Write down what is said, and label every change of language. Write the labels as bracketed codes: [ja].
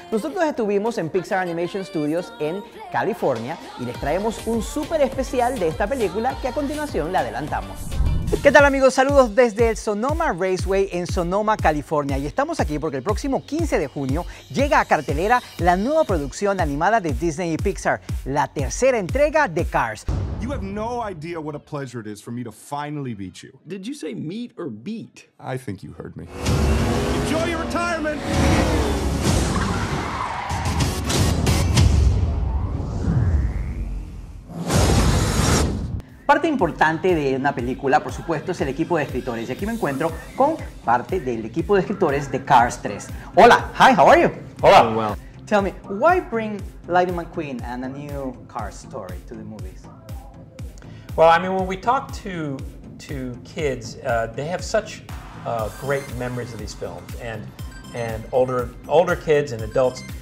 [es] Nosotros estuvimos en Pixar Animation Studios en California y les traemos un súper especial de esta película que a continuación le adelantamos. ¿Qué tal, amigos? Saludos desde el Sonoma Raceway en Sonoma, California. Y estamos aquí porque el próximo 15 de junio llega a cartelera la nueva producción animada de Disney y Pixar, la tercera entrega de Cars. [en] You have no idea what a pleasure it is for me to finally beat you. Did you say meet or beat? I think you heard me. Enjoy your retirement! [es] Parte importante de una película, por supuesto, es el equipo de escritores. Y aquí me encuentro con parte del equipo de escritores de Cars 3. [en] Hola, hi, how are you? Hola, I'm well. Tell me, why bring Lightning McQueen and a new Cars story to the movies? Well, I mean, when we talk to kids, they have such great memories of these films, and older kids and adults.